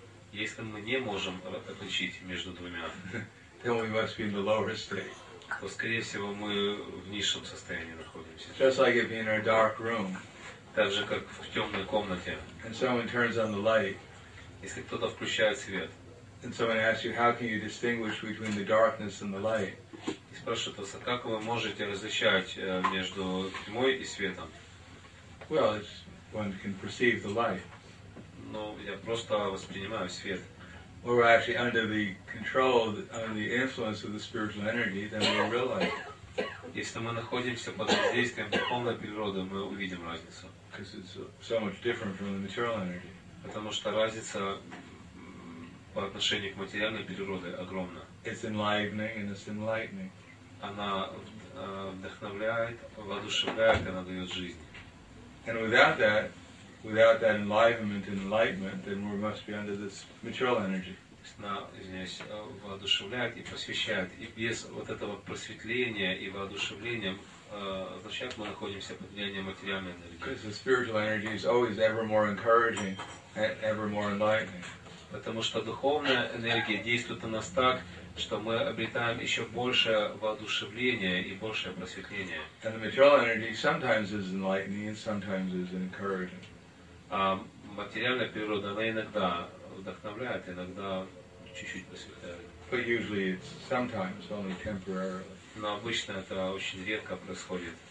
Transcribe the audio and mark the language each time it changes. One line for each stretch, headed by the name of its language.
Russian: если мы не можем отличить между двумя,
English: then we must be in the lower state.
Russian: То, скорее всего, мы в низшем состоянии находимся.
English: Just like if you're in a dark room,
Russian: так же как в темной комнате,
English: and someone turns on the light.
Russian: Если кто-то включает свет.
English: And someone asks you, how can you distinguish between the darkness and the light?
Russian: И спрашивает вас, как вы можете различать между тьмой и светом?
English: Well, one can perceive the light.
Russian: Ну, я просто воспринимаю свет.
English: We're actually under the control, under the influence of the spiritual energy, then we realize.
Russian: Если мы находимся под воздействием духовной природы, мы увидим разницу.
English: Because it's so much different from the material energy.
Russian: Потому что разница по отношению к материальной природе огромна.
English: It's enlivening and it's enlightening.
Russian: Она вдохновляет, воодушевляет, она дает жизнь.
English: And without that enlivenment and enlightenment, then we must be under this material energy.
Russian: Она, извиняюсь, воодушевляет и просвещает. И без вот этого просветления и воодушевления означает, мы находимся под влиянием материальной энергии.
English: Because the spiritual energy is always ever more encouraging. Ever more enlightening.
Russian: Потому что духовная энергия действует на нас так, что мы обретаем еще больше воодушевления и большее просветление.
English: And the material energy sometimes is enlightening and sometimes is encouraging.
Russian: А материальная природа, она иногда вдохновляет, иногда чуть-чуть просветляет.
English: But usually it's sometimes only temporarily.
Russian: Но обычно это очень редко происходит.